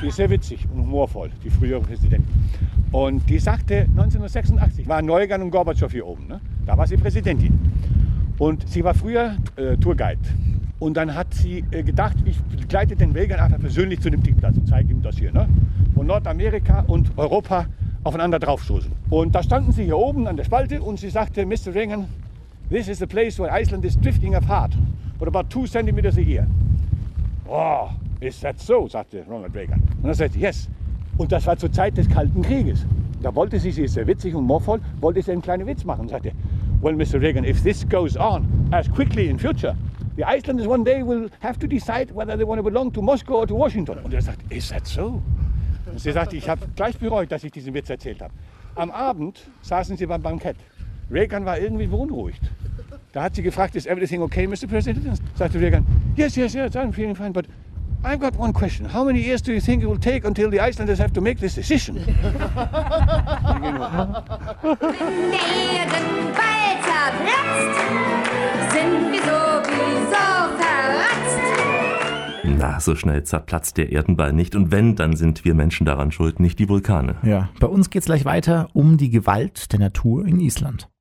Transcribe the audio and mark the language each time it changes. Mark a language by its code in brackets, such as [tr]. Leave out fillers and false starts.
[de] Die ist sehr witzig und humorvoll, die frühere Präsidentin. Und die sagte, 1986 war Neugan und Gorbatschow hier oben. Ne? Da war sie Präsidentin. Und sie war früher Tourguide. Und dann hat sie gedacht, ich begleite den Wegan einfach persönlich zu dem Tiefplatz und zeige ihm das hier. Ne? Von Nordamerika und Europa aufeinander draufstoßen. Und da standen sie hier oben an der Spalte und sie sagte, Mr. [en] Ringen, this is the place where Iceland is drifting apart. What about 2 centimeters a year? Oh, is that so? [de] Sagte Ronald Reagan. Und er sagte, [en] yes. [de] Und das war zur Zeit des Kalten Krieges. Da wollte sie, sie ist sehr witzig und humorvoll, wollte sie einen kleinen Witz machen. Sagte, [en] well, [de] Mr. [en] Reagan, if this goes on as quickly in future, the Icelanders one day will have to decide whether they want to belong to Moscow or to Washington. [de] Und er sagt, [en] is that so? [de] Und sie sagte, ich habe gleich bereut, dass ich diesen Witz erzählt habe. Am Abend saßen sie beim Bankett. Reagan war irgendwie beunruhigt. Da hat sie gefragt, [en] is everything okay, Mr. President? [de] Sagte [en] Reagan, yes, yes, yes, I'm feeling fine, but I've got one question. How many years do you think it will take until the Icelanders have to make this decision? [de] Werden bald zerplatzt, sind wir sowieso verratzt. Na, so schnell zerplatzt der Erdenball nicht. Und wenn, dann sind wir Menschen daran schuld, nicht die Vulkane. Ja, bei uns geht's gleich weiter um die Gewalt der Natur in Island.